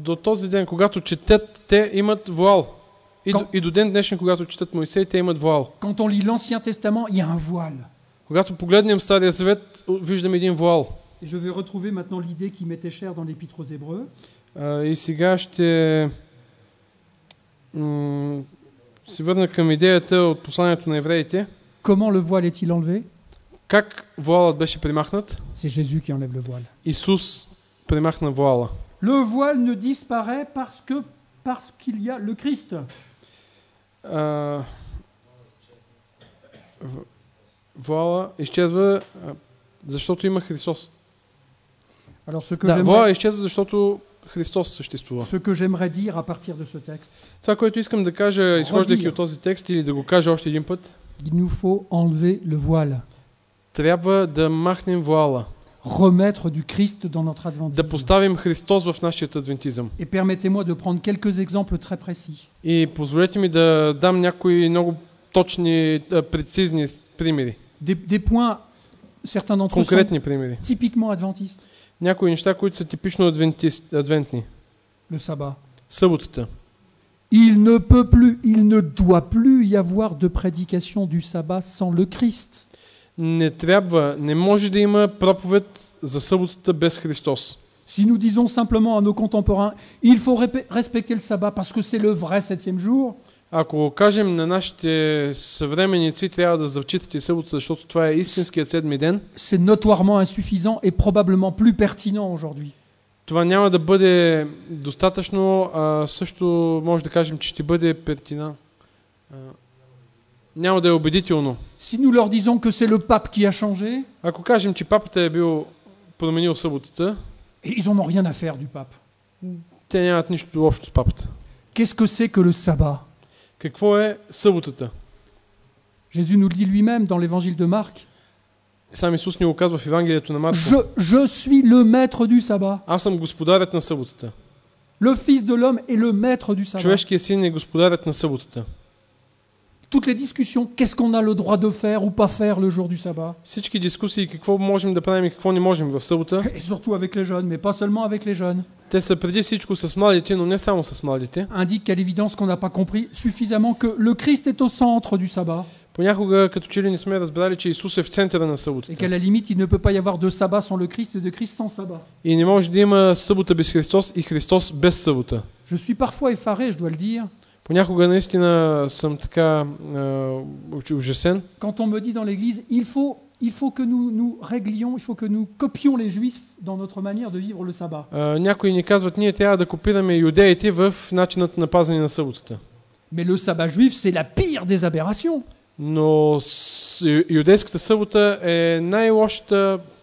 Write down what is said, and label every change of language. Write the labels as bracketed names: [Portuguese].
[Bulgarian] до този ден, когато четат, те имат воал. И до ден днешен, когато четат Моисей, те имат воал. [French] Quand on lit l'Ancien Testament, il y a un voile. [Bulgarian] Когато погледнем Стария Завет, виждаме един воал. [French] Et je vais retrouver maintenant l'idée qui m'était chère dans l'Épître aux Hébreux. [Bulgarian] И сега ще... се върна към идеята от посланието на евреите. [French] Comment le voile est-il enlevé? [Bulgarian] Как воалът беше премахнат? [French] C'est Jésus qui enlève le voile. [Bulgarian] Исус премахна воала. [French] Le voile ne disparaît parce qu'il y a le Christ. [Bulgarian] Воала изчезва, защото има Христос. [French] Alors ce que [Bulgarian] да, воала изчезва, защото Христос съществува. [French] Ce que j'aimerais dire à partir de ce texte. [Bulgarian] Това, което искам да кажа, изхождайки от този текст, или да го кажа още един път. [French] Il nous faut enlever le voile. [Bulgarian] трябва да махнем вуала. [French] Remettre du Christ dans notre adventisme. [Bulgarian] Да поставим Христос в нашия адвентизъм. [French] Et permettez-moi de prendre quelques exemples très précis. [Bulgarian] И позволете ми да дам някои много точни, прецизни примери. [French] Des points certains d'entre eux. [Bulgarian] Конкретни примери. [French] Typiquement adventistes. [Bulgarian] Някои неща, които са типично адвентни. [French] Le sabbat. [Bulgarian] Съботата. [French] Il ne peut plus, il ne doit plus y avoir de prédication du sabbat sans le Christ. [Bulgarian] Не трябва, не може да има проповед за съботата без Христос. [French] Si nous disons simplement à nos contemporains, il faut respecter le sabbat parce que c'est le vrai septième jour. [Bulgarian] Ако кажем на нашите съвременици, трябва да зачитате събота, защото това е истинският седми ден. [French] C'est notoirement insuffisant et probablement plus pertinent aujourd'hui. [Bulgarian] Това няма да бъде достатъчно, а също може да кажем, че ще бъде pertinent. Няма да е убедително. [French] Si nous leur disons que c'est le pape qui a changé, [Bulgarian] ако кажем, че папата е бил променил съботата, [French] ils en ont rien à faire du pape. [Bulgarian] Те нямат нищо общо с папата. [French] Qu'est-ce que c'est que le sabbat? [Bulgarian] Какво е съботата? [French] Jésus nous le dit lui-même dans l'évangile de Marc. [Bulgarian] Сам Исус ни го казва в Евангелието на Марк. [French] Je suis le maître du sabbat. [Bulgarian] Аз съм господарят на съботата. [French] Le fils de l'homme est le maître du sabbat. [Bulgarian] Човешкият син е господарят на съботата. [French] Toutes les discussions, qu'est-ce qu'on a le droit de faire ou pas faire le jour du sabbat? [Bulgarian] Всички дискусии, какво можем да правим и какво не можем в събота? [French] Et surtout avec les jeunes, mais pas seulement avec les jeunes. [Bulgarian] Те са преди всичко с младите, но не само с младите. [French] Indique à l'évidence qu'on n'a pas compris suffisamment que le Christ est au centre du sabbat. [Bulgarian] Понякога като че ли не сме разбрали, че Исус е в центъра на съботата. [French] Et qu'à la limite, il ne peut pas y avoir de sabbat sans le Christ et de Christ sans sabbat. [Bulgarian] И не може да има събота без Христос и Христос без събота. [French] Je suis parfois effaré, je dois le dire. [Bulgarian] Понякога наистина съм така ужасен. [French] Quand on me dit dans l'église, il faut que nous réglions, il faut que nous copions les juifs dans notre manière de vivre le sabbat. [Bulgarian] Някои ни казват, ние трябва да копираме юдеите в начина на пазене на съботата. [French] Mais le sabbat juif, c'est la pire des aberrations. [Bulgarian] Но юдейската събота е най-лошата